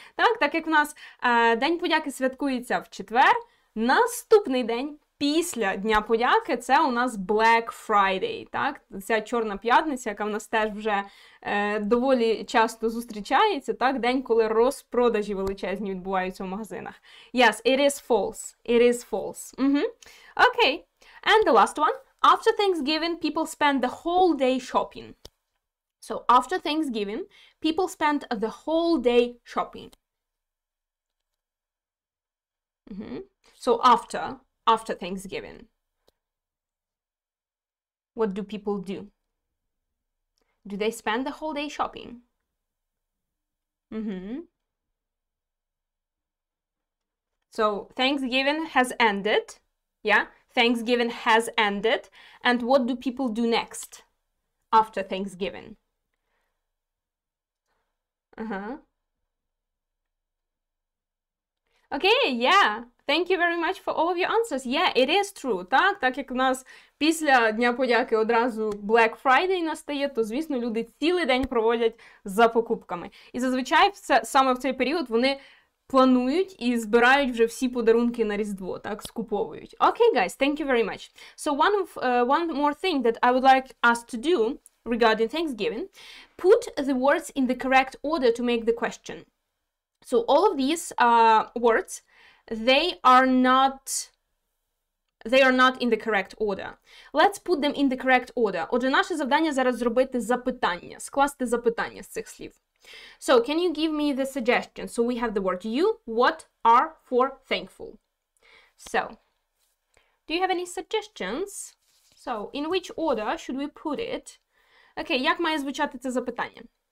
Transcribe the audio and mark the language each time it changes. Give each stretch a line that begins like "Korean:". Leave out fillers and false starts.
Ukrainian: Так, так як в нас День подяки святкується в четвер, наступний день після Дня подяки це у нас Black Friday, так? Ця чорна п'ятниця, яка в нас теж вже доволі часто зустрічається, так, день, коли розпродажі величезні відбуваються в магазинах.
English: Yes, it is false. It is false. Okay. And the last one. After Thanksgiving, people spend the whole day shopping. So, after Thanksgiving, people spend the whole day shopping. So, after Thanksgiving, what do people do? Do they spend the whole day shopping? So, Thanksgiving has ended. Yeah, Thanksgiving has ended. And what do people do next after Thanksgiving? Okay, yeah. Thank you very much for all of your answers. Yeah, it is true.
Ukrainian: Так, так як у нас після Дня подяки одразу Black Friday настає, то, звісно, люди цілий день проводять за покупками. І зазвичай саме в цей період вони планують і збирають вже всі подарунки на Різдво, так, скуповують.
English: Okay, guys, thank you very much. So one more thing that I would like us to do regarding Thanksgiving, put the words in the correct order to make the question. So all of these words, they are not in the correct order. Let's put them in the correct order.
Ukrainian: Отже, наше завдання зараз зробити запитання, скласти запитання з цих слів.
English: So can you give me the suggestion? So we have the word you, what, are, for, thankful. So, do you have any suggestions? So in which order should we put it?
Ukrainian: Окей, як має звучати це запитання?